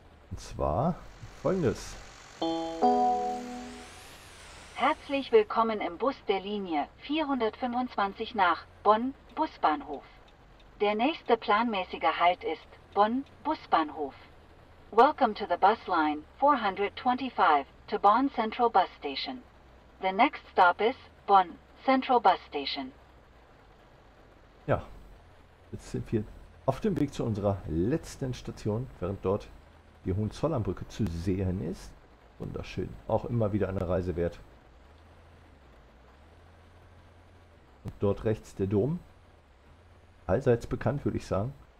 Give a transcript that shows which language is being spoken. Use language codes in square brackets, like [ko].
[de] Und zwar folgendes. Herzlich willkommen im Bus der Linie 425 nach Bonn Busbahnhof. Der nächste planmäßige Halt ist Bonn Busbahnhof. [en] Welcome to the bus line 425 to Bonn Central Bus Station. The next stop is Bonn Central Bus Station. [de] Ja, jetzt sind wir auf dem Weg zu unserer letzten Station, während dort die Hohenzollernbrücke zu sehen ist. Wunderschön, auch immer wieder eine Reise wert. Und dort rechts der Dom, allseits bekannt, würde ich sagen.